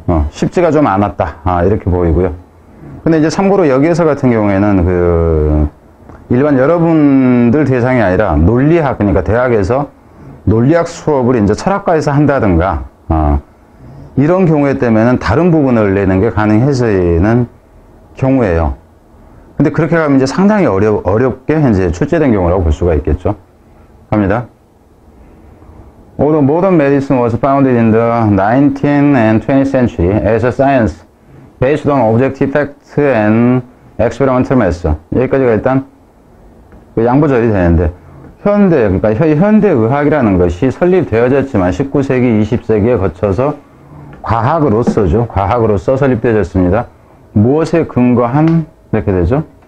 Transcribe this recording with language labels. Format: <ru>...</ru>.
<ko>쉽지가 좀 않았다. 이렇게 보이고요. 근데 이제 참고로 여기에서 같은 경우에는 그 일반 여러분들 대상이 아니라 논리학, 그러니까 대학에서 논리학 수업을 이제 철학과에서 한다든가 이런 경우에 때문에는 다른 부분을 내는 게 가능해지는 경우예요. 근데 그렇게 가면 이제 상당히 어렵게 이제 출제된 경우라고 볼 수가 있겠죠. 갑니다.</ko> <en>Although modern medicine was founded in the 19th and 20th century as a science based on objective fact and experimental method.</en> <ko>여기까지가 일단 양보절이 되는데 현대 의학이라는 것이 설립되어졌지만 19세기, 20세기에 거쳐서 과학으로서죠. 과학으로서 설립되어졌습니다. 무엇에 근거한, 이렇게 되죠.</ko>